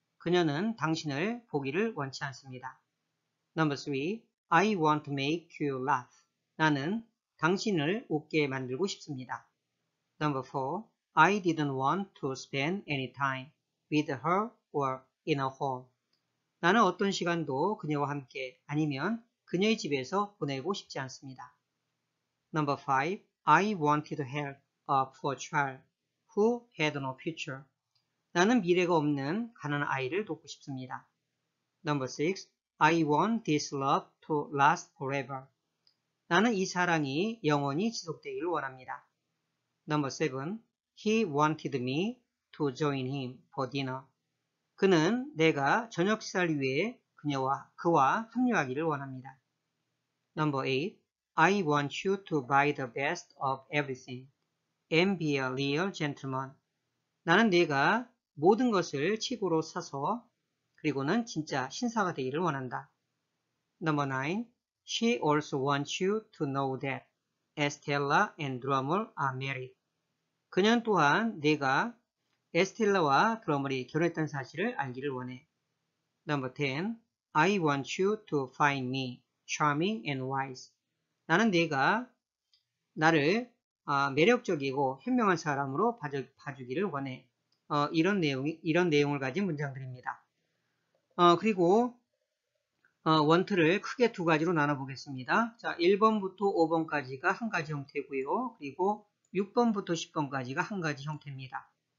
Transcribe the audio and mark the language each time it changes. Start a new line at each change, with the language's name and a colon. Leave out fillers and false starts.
Korean: 그녀는 당신을 보기를 원치 않습니다.
English: Number 3. I want to make you laugh.
Korean: 나는 당신을 웃게 만들고 싶습니다.
English: Number 4. I didn't want to spend any time with her or in a home.
Korean: 나는 어떤 시간도 그녀와 함께 아니면 그녀의 집에서 보내고 싶지 않습니다.
English: Number 5. I wanted to help a poor child who had no future.
Korean: 나는 미래가 없는 가난한 아이를 돕고 싶습니다.
English: Number 6. I want this love to last forever.
Korean: 나는 이 사랑이 영원히 지속되길 원합니다.
English: Number 7. He wanted me to join him for dinner.
Korean: 그는 내가 저녁 식사를 위해 그와 합류하기를 원합니다.
English: Number 8. I want you to buy the best of everything and be a real gentleman.
Korean: 나는 내가 모든 것을 치고로 사서 그리고는 진짜 신사가 되기를 원한다.
English: Number 9. She also wants you to know that Estella and Drummer are married.
Korean: 그녀는 또한 내가 에스텔라와 드러머가 결혼했다는 사실을 알기를 원해.
English: Number 10. I want you to find me charming and wise.
Korean: 나는 내가 나를 매력적이고 현명한 사람으로 봐주기를 원해. 이런 내용을 가진 문장들입니다. 그리고 원트를 크게 두 가지로 나눠보겠습니다. 자, 1번부터 5번까지가 한 가지 형태고요. 그리고 6번부터 10번까지가 한 가지 형태입니다.